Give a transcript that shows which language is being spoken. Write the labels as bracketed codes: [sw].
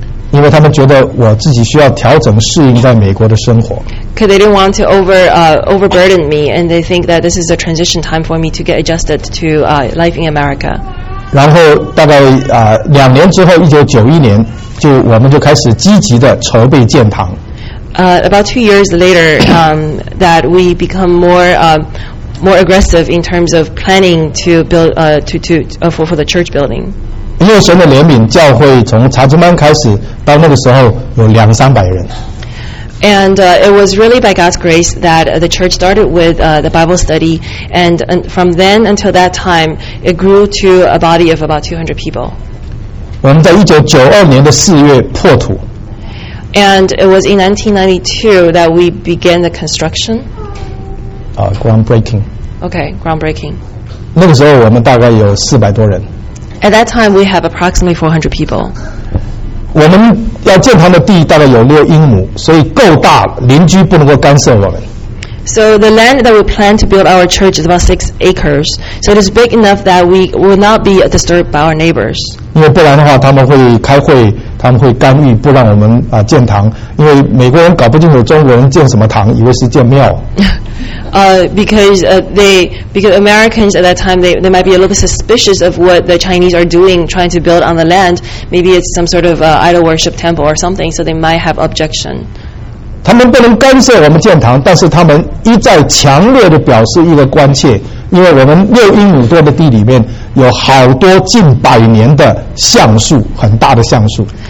[zh] 因为他们觉得我自己需要调整适应在美国的生活。 [en] Because they didn't want to overburden me, and they think that this is a transition time for me to get adjusted to life in America. [zh] 然后大概两年之后，1991年，我们就开始积极的筹备建堂。 [en] About 2 years later, that we become more aggressive in terms of planning to build for the church building. [zh] 因为神的怜悯，教会从查经班开始到那个时候有两三百人。 [en] And it was really by God's grace that the church started with the Bible study, and from then until that time, it grew to a body of about 200 people. [zh] 我们在1992年的四月破土。 [en] And it was in 1992 that we began the construction. Groundbreaking. Okay, groundbreaking. [zh] 那个时候我们大概有400多人。 [en] At that time, we have approximately 400 people. [zh] 我们要建堂的地大概有6英亩，所以够大，邻居不能够干涉我们。 [en] So the land that we plan to build our church is about 6 acres. So it is big enough that we will not be disturbed by our neighbors. [zh] 因为不然的话，他们会开会。他们会干预，不让我们建堂，因为美国人搞不清楚中国人建什么堂，以为是建庙。 [en] Because Americans at that time they might be a little bit suspicious of what the Chinese are doing, trying to build on the land. Maybe it's some sort of idol worship temple or something, so they might have objection. [zh] 他们不能干涉我们建堂，但是他们一再强烈的表示一个关切，因为我们六英亩多的地里面有好多近百年的橡树，很大的橡树。